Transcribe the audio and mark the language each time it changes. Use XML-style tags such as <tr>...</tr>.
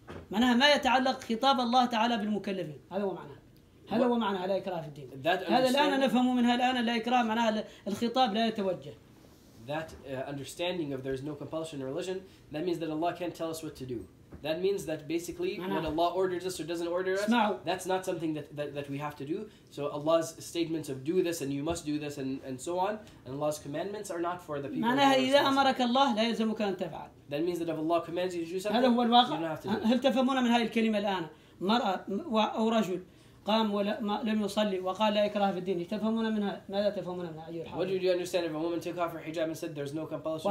<ar>معناها ما يتعلق خطاب الله تعالى بالمكلفين هذا هو معناه هذا هو معنى لا إكراه في الدين هذا الآن نفهمه منها الآن لا إكراه معناها الخطاب لا يتوجه</ar> <en>that understanding of there is no compulsion in religion that means that Allah can't tell us what to do that means that basically when Allah orders us or doesn't order us that's not something that we have to do so Allah's statements of do this and you must do this and so on and Allah's commandments are not for the people</en> <ar>معناها إذا أمرك الله لا يلزمك أن تفعل</ar> <en>that means that if Allah commands you to do something you don't have to do it.</en> <ar>هل تفهمون من هذه الكلمة الآن مرأة أو رجل قام ولم يصلي وقال لا إكراه في الدين تفهمون منها ماذا تفهمون منها أي الحال؟</ar> <en>What did you understand if a woman took off her hijab and said there's no compulsion?</en>